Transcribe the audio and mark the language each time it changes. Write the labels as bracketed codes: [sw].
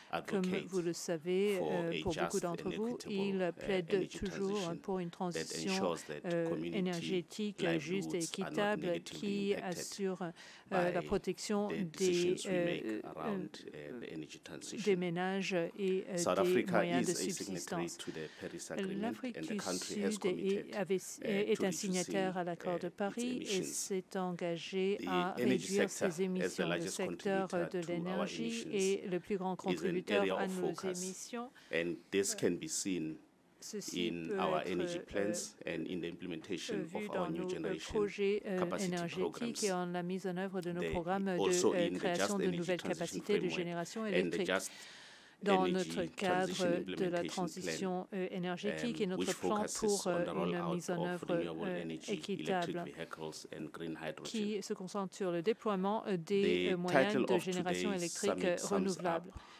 [fr] Comme vous le savez, pour beaucoup d'entre vous, il plaide toujours pour une transition énergétique juste et équitable qui assure la protection des ménages et des moyens de subsistance. L'Afrique du Sud est un signataire à l'accord de Paris et s'est engagé à réduire ses émissions. Le secteur de l'énergie est le plus grand contributeur à nos émissions. [en] And this can be seen in our energy plans and in the implementation of our new generation capacity [fr] et en la mise en œuvre de nos programmes de création de nouvelles capacités de génération électrique. Dans notre cadre de la transition énergétique et notre plan pour une mise en œuvre équitable qui se concentre sur le déploiement des moyens de génération électrique renouvelable.